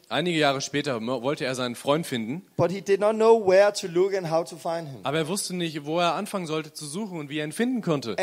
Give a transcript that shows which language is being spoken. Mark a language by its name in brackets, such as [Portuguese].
[German] Einige Jahre später wollte er seinen Freund finden. [English] But he did not know where to look and how to find him. [German] Aber er wusste nicht, wo er anfangen sollte zu suchen und wie er ihn finden konnte.